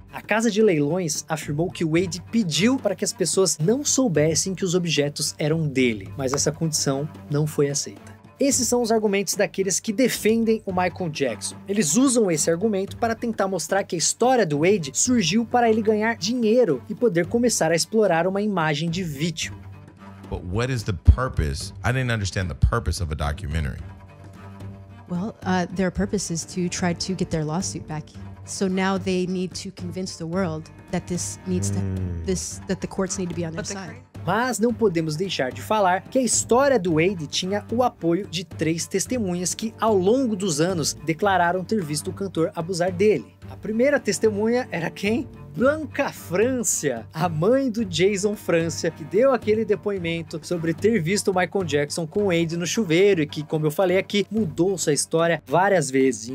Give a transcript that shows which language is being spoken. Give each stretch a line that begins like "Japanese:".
Portuguese: A casa de leilões afirmou que Wade pediu para que as pessoas não soubessem que os objetos eram dele, mas essa condição não foi aceita. Esses são os argumentos daqueles que defendem o Michael Jackson. Eles usam esse argumento para tentar mostrar que a história do Wade surgiu para ele ganhar dinheiro e poder começar a explorar uma imagem de vítima.
English: But what is the purpose? I didn't understand the purpose of a documentary. Well, their purpose is to try to get their lawsuit back. So now they need to convince the world that this needs to, that the courts need to be on their side.
Portuguese: Mas não podemos deixar de falar que a história do Wade tinha o apoio de três testemunhas que, ao longo dos anos, declararam ter visto o cantor abusar dele. A primeira testemunha era quem? Blanca Francia, a mãe do Jason Francia, que deu aquele depoimento sobre ter visto o Michael Jackson com o Wade no chuveiro e que, como eu falei aqui, mudou sua história várias vezes.